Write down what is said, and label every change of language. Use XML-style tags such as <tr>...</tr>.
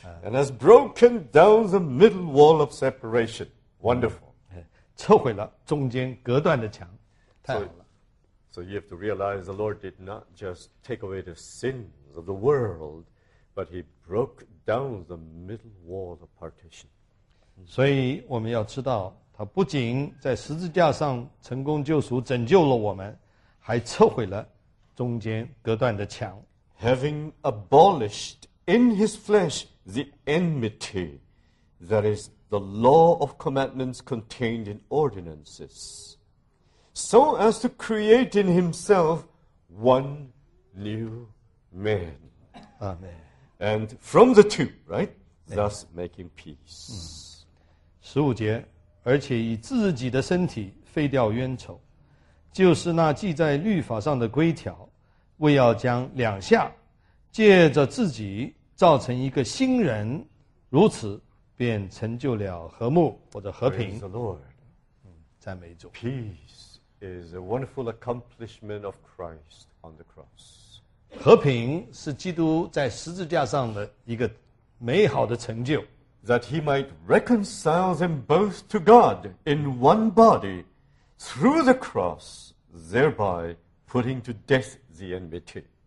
<en>and has broken down the middle wall of separation. Wonderful.</en> <zh>拆毁了中间隔断的墙，太好了。</zh> <en>So you have to realize the Lord did not just take away the sins of the world, but he broke down the middle wall of partition.</en> <zh>所以我们要知道。他不仅在十字架上成功救赎，拯救了我们，还拆毁了中间隔断的墙。</zh> <en>Having abolished in his flesh the enmity, that is, the law of commandments contained in ordinances, so as to create in himself one new man. Amen. And from the two, right? Thus making peace.</en> <zh>15节, 而且以自己的身体废掉冤仇, 就是那记在律法上的规条, 为要将两下, 借着自己造成一个新人, 如此便成就了和睦, 或者和平。</zh> <en>Praise the Lord.</en> <zh>赞美主。</zh> <en>Peace is a wonderful accomplishment of Christ on the cross.</en> <zh>和平是基督在十字架上的一个美好的成就。</zh> <en>That he might reconcile them both to God in one body through the cross, thereby putting to death the enmity.</en>